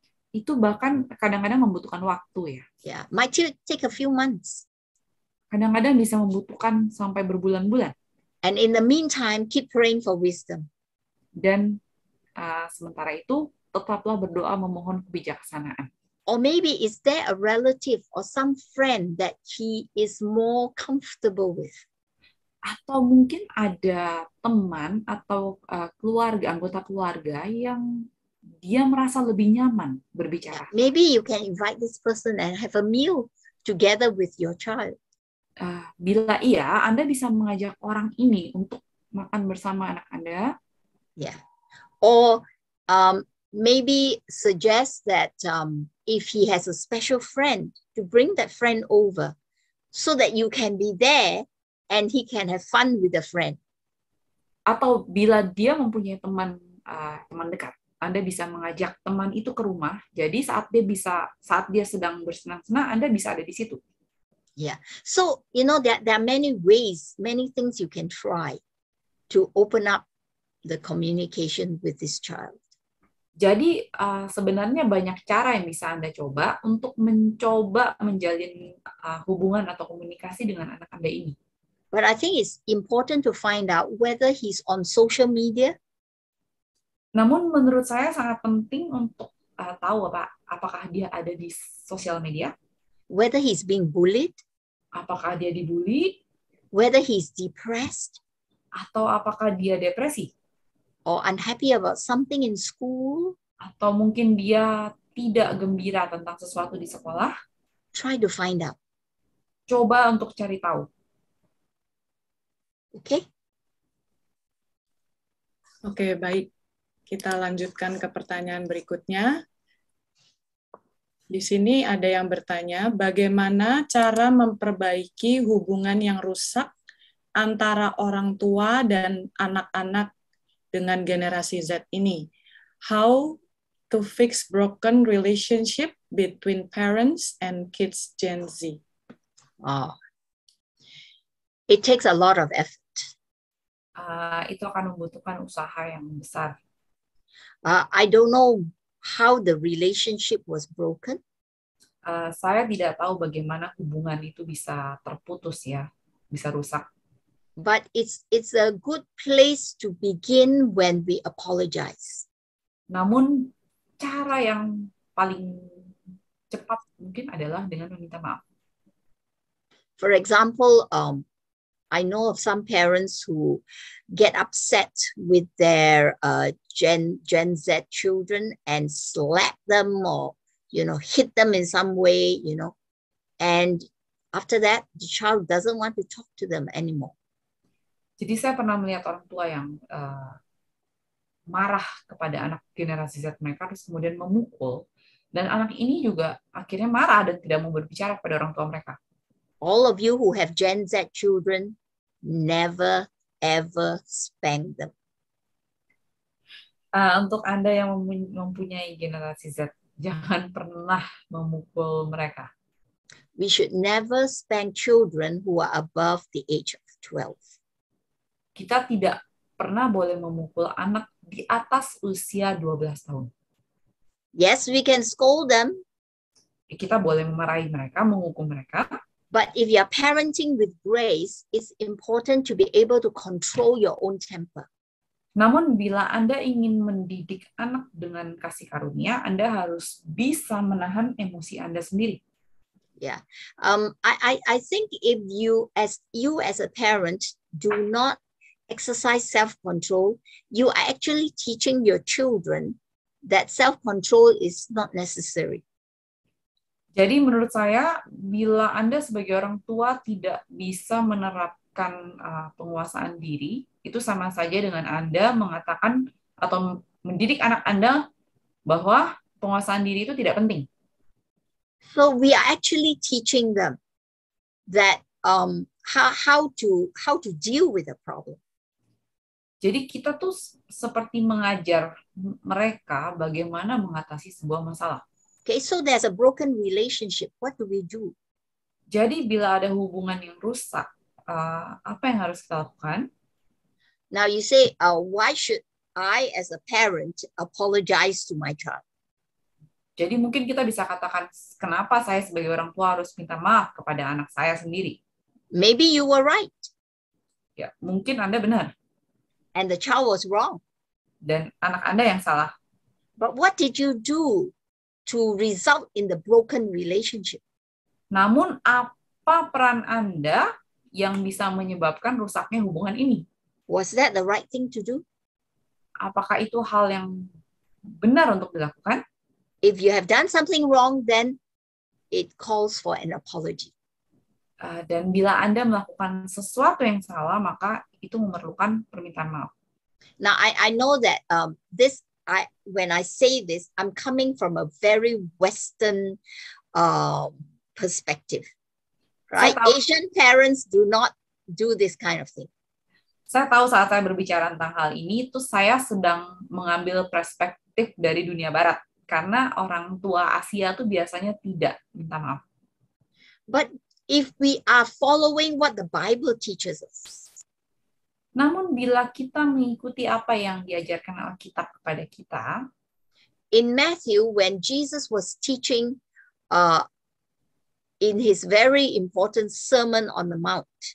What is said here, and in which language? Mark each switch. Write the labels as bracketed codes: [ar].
[id] Itu bahkan kadang-kadang membutuhkan waktu ya. [en] Yeah, might take a few months. [id] Kadang-kadang bisa membutuhkan sampai berbulan-bulan. [en] And in the meantime, keep praying for wisdom. [id] Dan sementara itu, tetaplah berdoa memohon kebijaksanaan. [en] Or maybe is there a relative or some friend that he is more comfortable with? [id] Atau mungkin ada teman atau keluarga, anggota keluarga yang dia merasa lebih nyaman berbicara. [en] Maybe you can invite this person and have a meal together with your child. [id] Bila iya, Anda bisa mengajak orang ini untuk makan bersama anak Anda. [en] Yeah. Or maybe suggest that if he has a special friend, to bring that friend over so that you can be there and he can have fun with the friend. [id] Atau bila dia mempunyai teman teman dekat, Anda bisa mengajak teman itu ke rumah. Jadi saat dia sedang bersenang-senang, Anda bisa ada di situ. [en] Yeah. So, you know, there are many ways, many things you can try to open up the communication with this child. [id] Jadi, sebenarnya banyak cara yang bisa Anda coba untuk mencoba menjalin hubungan atau komunikasi dengan anak Anda ini. [en] But I think it's important to find out whether he's on social media. [id] Namun menurut saya sangat penting untuk tahu apakah dia ada di sosial media. [en] Whether he's being bullied. [id] Apakah dia dibully. [en] Whether he's depressed. [id] Atau apakah dia depresi. [en] Or unhappy about something in school. [id] Atau mungkin dia tidak gembira tentang sesuatu di sekolah. [en] Try to find out. [id] Coba untuk cari tahu. Oke. [en] Okay. [id] Oke, baik. Kita lanjutkan ke pertanyaan berikutnya. Di sini ada yang bertanya, bagaimana cara memperbaiki hubungan yang rusak antara orang tua dan anak-anak dengan generasi Z ini? [en] How to fix broken relationship between parents and kids Gen Z? Oh. It takes a lot of effort. [id] Itu akan membutuhkan usaha yang besar. [en] I don't know how the relationship was broken. [id] Saya tidak tahu bagaimana hubungan itu bisa terputus ya, bisa rusak. [en] But it's a good place to begin when we apologize. [id] Namun cara yang paling cepat mungkin adalah dengan meminta maaf. [en] For example, I know of some parents who get upset with their Gen Z children and slap them or, you know, hit them in some way, you know. And after that, the child doesn't want to talk to them anymore. [id] Jadi saya pernah melihat orang tua yang marah kepada anak generasi Z mereka, terus kemudian memukul. Dan anak ini juga akhirnya marah dan tidak mau berbicara kepada orang tua mereka. [en] All of you who have Gen Z children, never ever spank them. [id] Untuk Anda yang mempunyai generasi Z, jangan pernah memukul mereka. [en] We should never spank children who are above the age of 12. [id] Kita tidak pernah boleh memukul anak di atas usia 12 tahun. [en] Yes, we can scold them. [id] Kita boleh memarahi mereka, menghukum mereka. [en] But if you are parenting with grace, it's important to be able to control your own temper. [id] Namun bila Anda ingin mendidik anak dengan kasih karunia, Anda harus bisa menahan emosi Anda sendiri. [en] Yeah. I think if you as a parent do not exercise self-control, you are actually teaching your children that self-control is not necessary. [id] Jadi menurut saya, bila Anda sebagai orang tua tidak bisa menerapkan penguasaan diri, itu sama saja dengan Anda mengatakan atau mendidik anak Anda bahwa penguasaan diri itu tidak penting. [en] So we are actually teaching them that how to deal with the problem. [id] Jadi kita tuh seperti mengajar mereka bagaimana mengatasi sebuah masalah. [en] Okay, so there's a broken relationship. What do we do? [id] Jadi bila ada hubungan yang rusak, apa yang harus kita lakukan? [en] Now you say, why should I as a parent apologize to my child? [id] Jadi mungkin kita bisa katakan, kenapa saya sebagai orang tua harus minta maaf kepada anak saya sendiri? [en] Maybe you were right. [id] Ya, mungkin Anda benar. [en] And the child was wrong. [id] Dan anak Anda yang salah. [en] But what did you do to result in the broken relationship? [id] Namun apa peran Anda yang bisa menyebabkan rusaknya hubungan ini? [en] Was that the right thing to do? [id] Apakah itu hal yang benar untuk dilakukan? [en] If you have done something wrong, then it calls for an apology. [id] Dan bila Anda melakukan sesuatu yang salah, maka itu memerlukan permintaan maaf. [en] Now I know that when I say this, I'm coming from a very Western perspective, right? Asian parents do not do this kind of thing. [id] Saya tahu saat saya berbicara tentang hal ini, itu saya sedang mengambil perspektif dari dunia Barat, karena orang tua Asia itu biasanya tidak minta maaf. [en] But if we are following what the Bible teaches us. [id] Namun bila kita mengikuti apa yang diajarkan Alkitab kepada kita, [en] in Matthew, when Jesus was teaching in his very important Sermon on the Mount.